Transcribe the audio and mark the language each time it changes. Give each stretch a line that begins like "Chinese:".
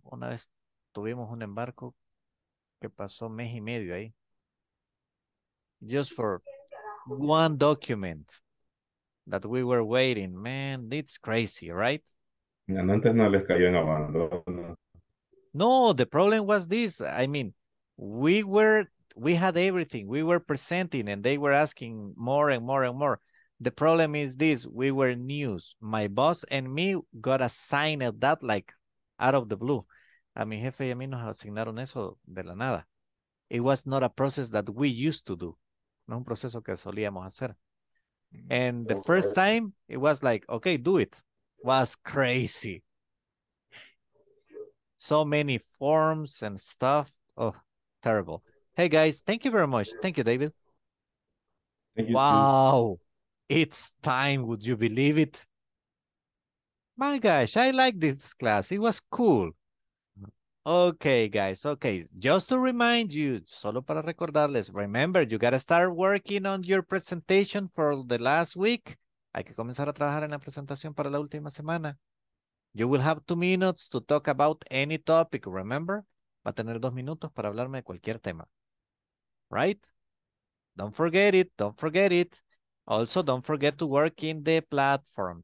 Spanish: Una vez tuvimos un embarco que pasó mes y medio ahí.
English: Just for one document that we were waiting. Man, it's crazy, right?
Spanish: Antes no les cayó en abandono.
English: No, the problem was this. I mean, we had everything. We were presenting and they were asking more and more. The problem is this, we were news. My boss and me got assigned that like out of the blue.
Spanish: A mi jefe y a mí nos asignaron eso de la nada.
English: It was not a process that we used to do.
Spanish: No es un proceso que solíamos hacer.
English: And the first time, it was like, okay, do it. Was crazy. So many forms and stuff. Oh, terrible. Hey, guys, thank you very much. Thank you, David. Thank you. Wow. It's time. Would you believe it? My gosh, I like this class. It was cool. Okay, guys. Okay, just to remind you,
Spanish: solo para recordarles,
English: remember, you got to start working on your presentation for the last week.
Spanish: Hay que comenzar a trabajar en la presentación para la última semana.
English: You will have 2 minutes to talk about any topic, remember?
Spanish: Va a tener 2 minutos para hablarme de cualquier tema.
English: Right? Don't forget it. Don't forget it. Also, don't forget to work in the platform.